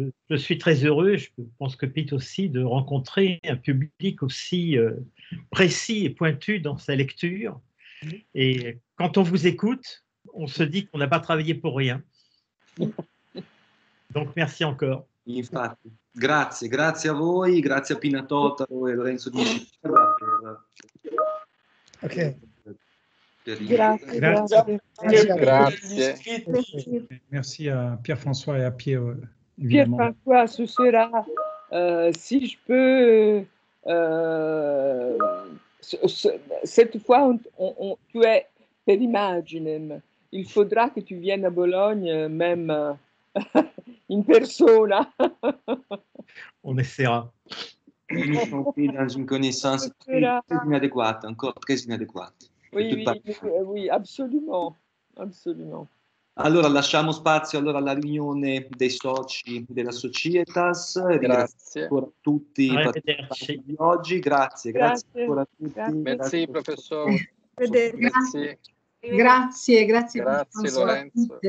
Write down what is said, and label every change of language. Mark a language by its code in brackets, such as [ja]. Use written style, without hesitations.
[fr] Je suis très heureux, je pense que Pete aussi, de rencontrer un public aussi précis et pointu dans sa lecture. Et quand on vous écoute, on se dit qu'on n'a pas travaillé pour rien. Donc merci encore. [it] Infatti, grazie, grazie a voi, grazie a Pina Totaro e Lorenzo Di Cicero per, okay. Per grazie, grazie. Grazie. [fr] Merci [it] a Pierre-François e a Pierre. [fr] Pierre-François, ce sera, si je peux, cette fois, tu es [la] per immaginem, [fr] il faudra que tu viennes à Bologne même... [it] in persona. [fr] On essaiera. Nous sommes pris dans une connaissance très inadéquate, encore très inadéquate. Oui, oui, oui, absolument, absolument. [it] Allora lasciamo spazio allora alla riunione dei soci della Societas. Grazie a tutti di oggi. Grazie, grazie, grazie ancora a tutti. Grazie, grazie professor. Grazie. Grazie, grazie, grazie Lorenzo.